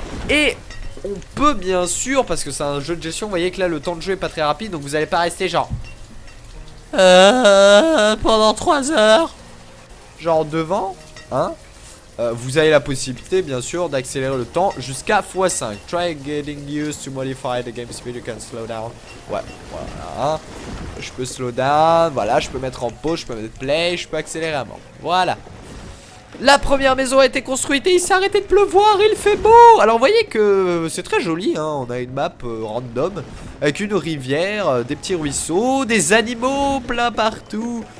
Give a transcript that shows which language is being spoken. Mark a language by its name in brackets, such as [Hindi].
[French] Et on peut bien sûr, parce que c'est un jeu de gestion, vous voyez que là le temps de jeu est pas très rapide, donc vous allez pas rester genre pendant 3 heures genre devant, hein. Vous avez la possibilité bien sûr d'accélérer le temps jusqu'à x5. [English] Try getting used to modify the game speed, you can slow down. [French] Ouais, voilà. Je peux [English] slow down, [French] voilà, je peux mettre en pause, je peux mettre play, je peux accélérer à mort. Voilà. La première maison a été construite et il s'est arrêté de pleuvoir, il fait beau. Alors vous voyez que c'est très joli, hein. On a une map random avec une rivière, des petits ruisseaux, des animaux plein partout.